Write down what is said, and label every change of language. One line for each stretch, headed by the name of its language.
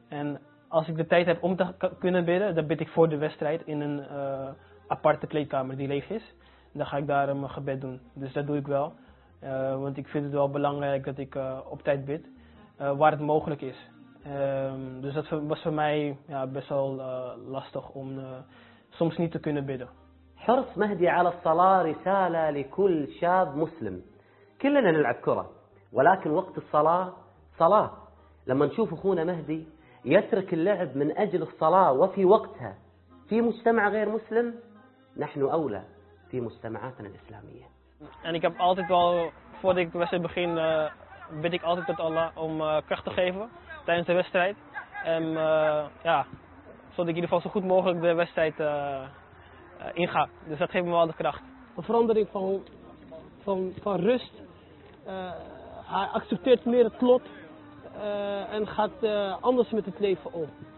Dutch: En als ik de tijd heb om te kunnen bidden, dan bid ik voor de wedstrijd in een aparte kleedkamer die leeg is. Dan ga ik daar mijn gebed doen. Dus dat doe ik wel. Want ik vind het wel belangrijk dat ik op tijd bid, waar het mogelijk is. Dus dat was voor mij best wel lastig om soms niet te kunnen bidden.
Arabic: حرص مهدي على الصلاة رسالة لكل شاب مسلم. كلنا نلعب كرة ولكن وقت الصلاة صلاة. لما نشوف أخونا مهدي يترك اللعب من أجل الصلاة وفي وقتها في مجتمع غير مسلم، نحن أولى في مجتمعاتنا الإسلامية. أنا كاب
Dutch: altijd wel voor ik de wedstrijd begin bid ik altijd tot Allah om kracht te geven tijdens de wedstrijd en zodat ik in ieder geval zo goed mogelijk de wedstrijd inga. Dus dat geeft me wel de kracht. Een verandering van rust. Hij accepteert meer het lot en gaat anders met het leven om.